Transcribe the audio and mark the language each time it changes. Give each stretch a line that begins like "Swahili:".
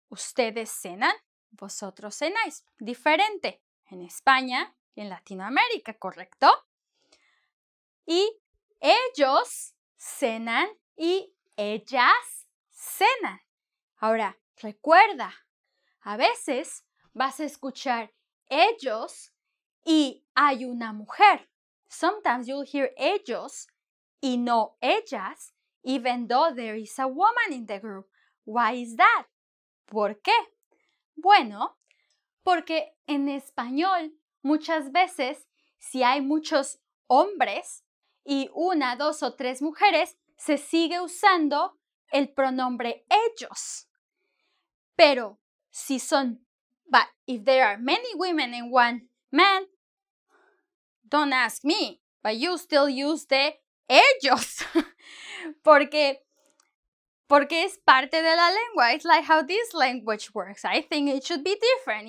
Spanish: Ustedes cenan, vosotros cenáis. Diferente en España y en Latinoamérica, ¿correcto? Y ellos cenan y ellas cenan. Ahora, recuerda, a veces vas a escuchar ellos y hay una mujer.
English: Sometimes you'll hear
Spanish: ellos y no ellas,
English: even though there is a woman in the group. Why is that?
Spanish: ¿Por qué? Bueno, porque en español muchas veces si hay muchos hombres y una, dos o tres mujeres, se sigue usando el pronombre ellos. Pero si son,
English: but if there are many women and one man, don't ask me, but you still use the ellos.
Spanish: Porque es parte de la lengua.
English: It's like how this language works. I think it should be different.